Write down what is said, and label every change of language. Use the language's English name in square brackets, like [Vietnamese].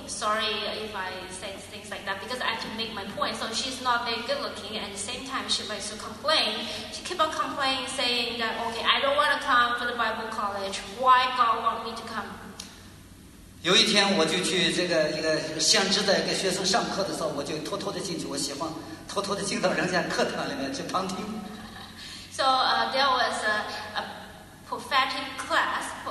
[English] Sorry if I say things like that because I can make my point. So she's not very good looking, and at the same time, she likes to complain. She keep on complaining, saying that, okay, I don't want to come for the Bible college. Why God want me to come? [Chinese] 有一天，我就去这个一个先知的一个学生上课的时候，我就偷偷的进去，我喜欢偷偷的进到人家课堂里面去旁听。 [English] So there was a prophetic class.